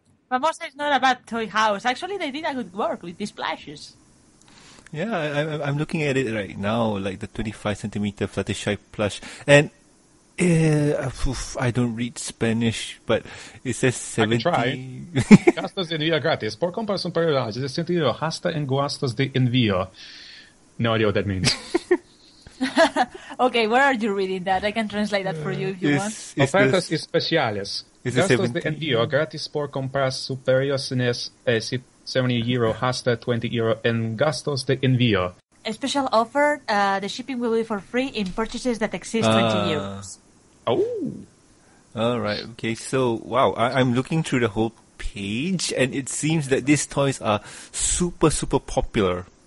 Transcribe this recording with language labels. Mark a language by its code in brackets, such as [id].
[en] Famosa is not a bad toy house. Actually, they did a good work with these plushes. Yeah, I'm looking at it right now, like the 25-centimeter Fluttershy plush. And I don't read Spanish, but it says 70. I can try. [es] Gastos de envío gratis. Por comparación para el año, es sentido hasta en gastos de envío. [en] No idea what that means. Okay, where are you reading that? I can translate that for you if you [es] want. Ofertas especiales. Gastos de envío gratis por compras superiores a 70 euro hasta 20 euro en gastos de envío. [en] A special offer, the shipping will be for free in purchases that exceed 20 euros. Oh! All right, okay, so, wow, I'm looking through the whole page and it seems that these toys are super, super popular.